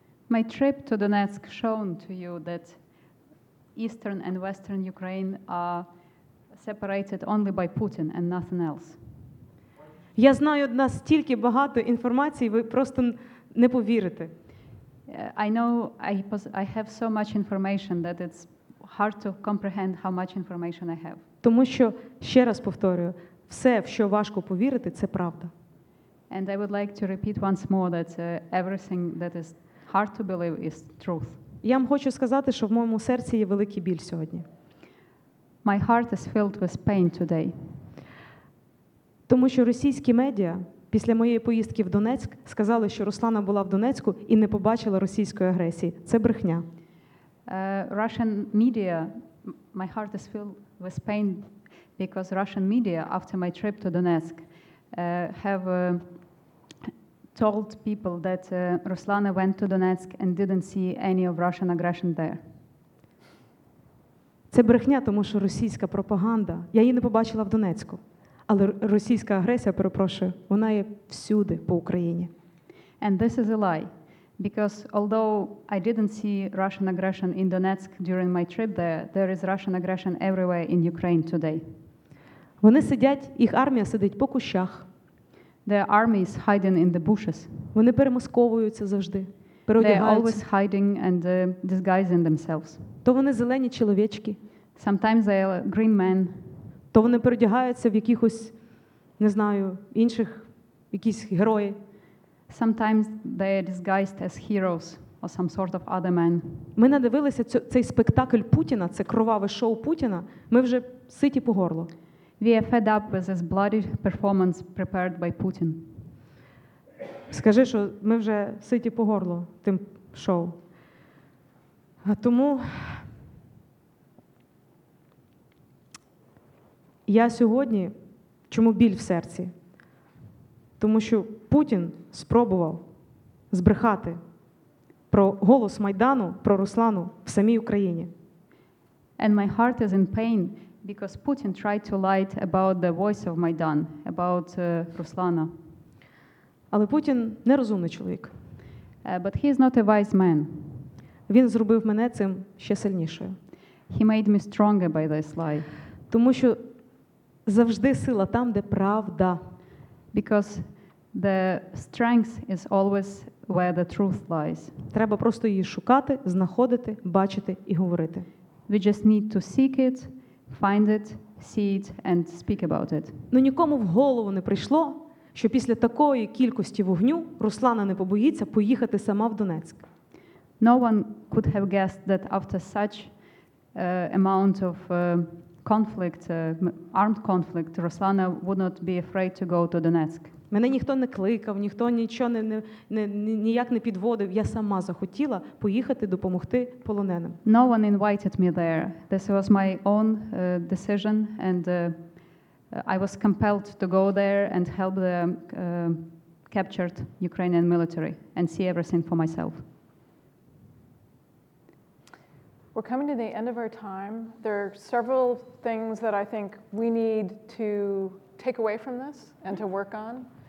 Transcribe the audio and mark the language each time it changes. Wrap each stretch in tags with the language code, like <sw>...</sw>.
<en>My trip to Donetsk shown to you that Eastern and Western Ukraine are separated only by Putin and nothing else.</en> <uk>Я знаю, настільки багато інформації, ви просто не повірите.</uk> <en>I have so much information that it's hard to comprehend how much information I have.</en> <uk>Тому що, ще раз повторюю, все, в що важко повірити, це правда.</uk> <en>And I would like to repeat once more that everything that is hard to believe is truth.</en> <uk>Я вам хочу сказати, що в моєму серці є великий біль сьогодні.</uk> <en>My heart is filled with pain today.</en> <uk>Тому що російські медіа після моєї поїздки в Донецьк сказали, що Руслана була в Донецьку і не побачила російської агресії. Це брехня.</uk> <en>Russian media, my heart is filled with pain because Russian media after my trip to Donetsk have told people that Ruslana went to Donetsk and didn't see any of Russian aggression there.</en> <uk>Це брехня, тому що російська пропаганда, я її не побачила в Донецьку, але російська агресія, перепрошую, вона є всюди по Україні.</uk> <en>And this is a lie, because although I didn't see Russian aggression in Donetsk during my trip there, there is Russian aggression everywhere in Ukraine today.</en> <uk>Вони сидять, їх армія сидить по кущах.</uk> <en>Their army is hiding in the bushes.</en> <uk>Вони перемосковуються завжди.</uk> <en>They're always hiding and disguising themselves.</en> <uk>То вони зелені чоловічки.</uk> <en>Sometimes they are green men.</en> <uk>То вони переодягаються в якихось, не знаю, інших, якісь герої.</uk> <en>Sometimes they are disguised as heroes or some sort of other men.</en> <uk>Ми надивилися цей спектакль Путіна, це кроваве шоу Путіна, ми вже ситі по горло.</uk> <en>We are fed up with this bloody performance prepared by Putin.</en> <uk>Скажи, що ми вже ситі по горло тим шоу. А тому я сьогодні, чому біль в серці? Тому що Путін спробував збрехати про голос Майдану, про Руслану в самій Україні.</uk> <en>And my heart is in pain because Putin tried to lie about the voice of Maidan, about Ruslana.</en> <uk>Але Путін нерозумний чоловік.</uk> <en>But he is not a wise man.</en> <uk>Він зробив мене цим ще сильнішою.</uk> <en>He made me stronger by this lie.</en> <uk>Тому що завжди сила там, де правда.</uk> <en>Because the strength is always where the truth lies.</en> <uk>Треба просто її шукати, знаходити, бачити і говорити.</uk> <en>We just need to seek it, find it, see it and speak about it.</en> <uk>Ну нікому в голову не прийшло, що після такої кількості вогню Руслана не побоїться поїхати сама в Донецьк.</uk> <en>No one could have guessed that after such amount of conflict, armed conflict, Руслана would not be afraid to go to Donetsk.</en> <uk>Мене ніхто не кликав, ніхто нічого ніяк не підводив. Я сама захотіла поїхати допомогти полоненим.</uk> <en>No one invited me there. This was my own decision and I was compelled to go there and help the captured Ukrainian military and see everything for myself. We're coming to the end of our time. There are several things that I think we need to take away from this and to work on.</en>